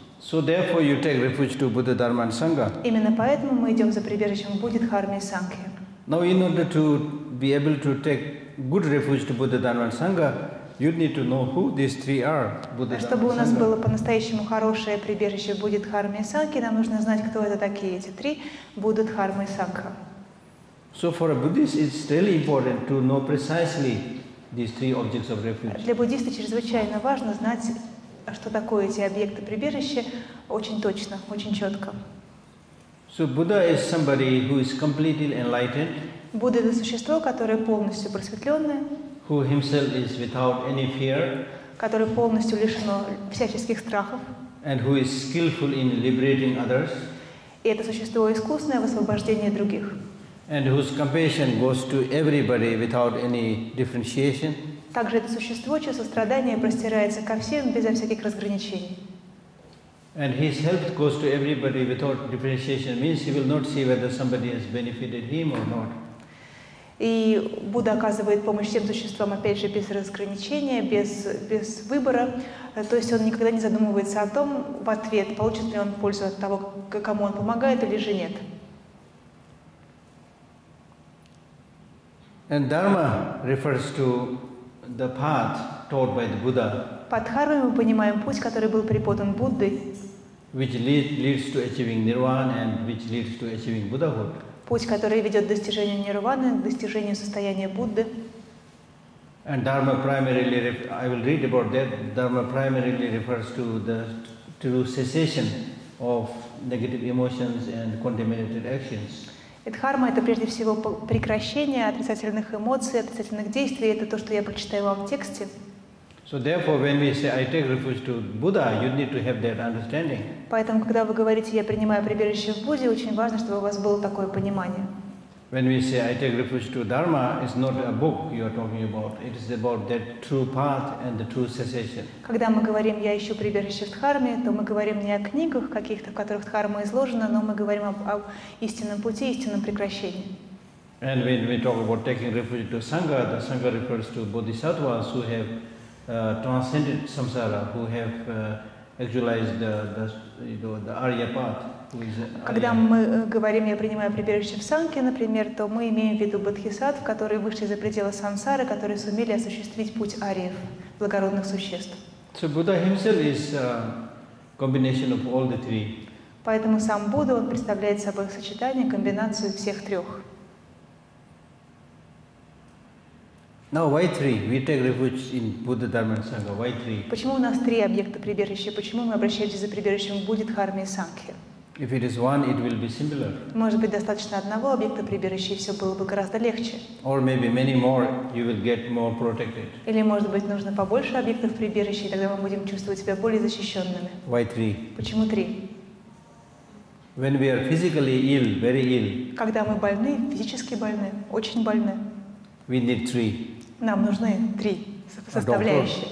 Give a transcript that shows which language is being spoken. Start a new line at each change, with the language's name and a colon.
English: So therefore you take refuge to Buddha, Dharma and Sangha.
Russian: Именно поэтому мы идем за прибежищем в Будде, Дхарме и Сангхе.
English: Now in order to be able to take good refuge to Buddha, Dharma and Sangha, you need to know who these three are. Buddha,
Russian: чтобы
English: Dharma,
Russian: у нас было по-настоящему хорошее прибежище в Будде, Дхарме и Сангхе, нам нужно знать, кто это такие эти три Будды, Дхармы и Сангха.
English: So for a Buddhist it's really important to know precisely these three objects of refuge.
Russian: Для буддиста чрезвычайно важно знать, что такое эти объекты прибежища, очень точно, очень четко.
English: So Buddha is somebody who is completely enlightened.
Russian: Будда — это существо, которое полностью просветленное.
English: Who himself is without any fear.
Russian: Которое полностью лишено всяческих страхов.
English: And who is skillful in liberating others.
Russian: И это существо искусное в освобождении других.
English: And whose compassion goes to everybody without any differentiation.
Russian: Также это существо, чье сострадание простирается ко всем безо всяких разграничений.
English: And his help goes to everybody without differentiation. Means he will not see whether somebody has benefited him or not.
Russian: И Будда оказывает помощь всем существам, опять же, без разграничения, без выбора. То есть он никогда не задумывается о том, в ответ, получит ли он пользу от того, кому он помогает или же нет.
English: And dharma refers to the path taught by the Buddha.
Russian: Под дхармой мы понимаем путь, который был преподан Буддой.
English: Which leads to achieving nirvana and which leads to achieving Buddhahood.
Russian: Путь, который ведет к достижению нирваны, к достижению состояния Будды.
English: And dharma primarily, I will read about that. Dharma primarily refers to the cessation of negative emotions and contaminated actions.
Russian: Дхарма — это прежде всего прекращение отрицательных эмоций, отрицательных действий. Это то, что я прочитаю вам в тексте.
English: So therefore, when we say I take refuge to Buddha, you need to have that understanding.
Russian: Поэтому, когда вы говорите, я принимаю прибежище в Будде, очень важно, чтобы у вас было такое понимание.
English: When we say I take refuge to Dharma, it's not a book you are talking about. It is about that true path and the true cessation.
Russian: Когда мы говорим, я ищу прибежище в Дхарме, то мы говорим не о книгах каких-то, в которых Дхарма изложена, но мы говорим об истинном пути, истинном прекращении.
English: And when we talk about taking refuge to Sangha, the Sangha refers to Bodhisattvas who have transcended samsara, who have actualized the Arya path.
Russian: Когда мы говорим, я принимаю прибежище в Санхе, например, то мы имеем в виду бодхисаттв, которые вышли за пределы сансары, которые сумели осуществить путь ариев, благородных существ.
English: So Buddha himself is a combination of all the three.
Russian: Поэтому сам Будда, он представляет собой сочетание, комбинацию всех трех.
English: Now why three? We take refuge in Buddha, Dharma and Sangha. Why three?
Russian: Почему у нас три объекта прибежища? Почему мы обращаемся за прибежищем в Будде, Дхарме и Санхе?
English: If it is one, it will be similar.
Russian: Может быть, достаточно одного объекта прибежища, и все было бы гораздо легче.
English: Or maybe many more, you will get more protected.
Russian: Или, может быть, нужно побольше объектов прибежища, и тогда мы будем чувствовать себя более защищенными.
English: Why three?
Russian: Почему три?
English: When we are physically ill, very ill.
Russian: Когда мы больны, физически больны, очень больны.
English: We need three.
Russian: Нам нужны три составляющие.